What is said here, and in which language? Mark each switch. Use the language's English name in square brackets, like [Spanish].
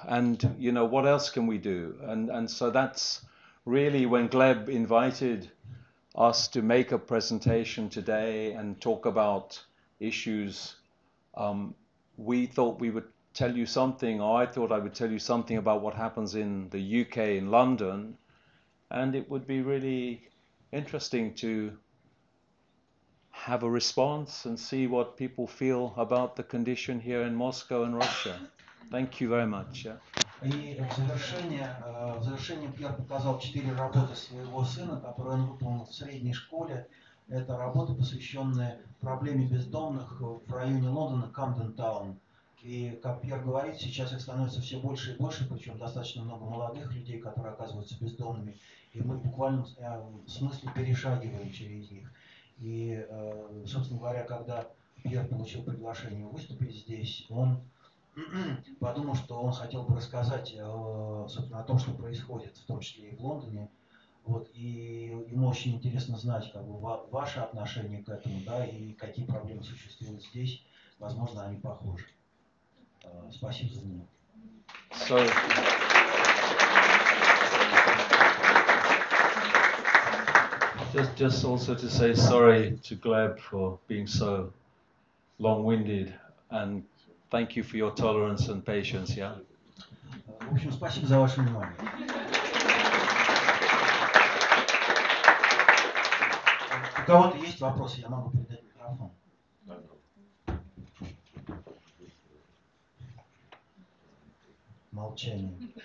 [English] And, you know, what else can we do? And so that's really when Gleb invited us to make a presentation today and talk about issues, we thought we would tell you something, or I thought I would tell you something about what happens in the UK, in London, and it would be really interesting to have a response and see what people feel about the condition here in Moscow and Russia. Thank you very much. [Russian] И в завершение Пьер показал четыре работы своего сына, которые он выполнил в средней школе. Это работы, посвященные проблеме бездомных в районе Лондона, Камден-таун. И, как Пьер говорит, сейчас их становится все больше и больше, причем достаточно много молодых людей, которые оказываются бездомными. И мы буквально в смысле перешагиваем через них. И, собственно говоря, когда Пьер получил приглашение выступить здесь, он подумал, что он хотел бы рассказать, собственно, о том, что происходит, в том числе и в Лондоне, Вот, и ему очень интересно знать, как бы, ваше отношение к этому, да, и какие проблемы существуют здесь. Возможно, они похожи. Спасибо за внимание. [English] So, just also to say sorry to Gleb for being so long-winded, and thank you for your tolerance and patience, yeah? [Russian] В общем, спасибо за ваше внимание. У кого-то есть вопросы, я могу передать микрофон. Молчание.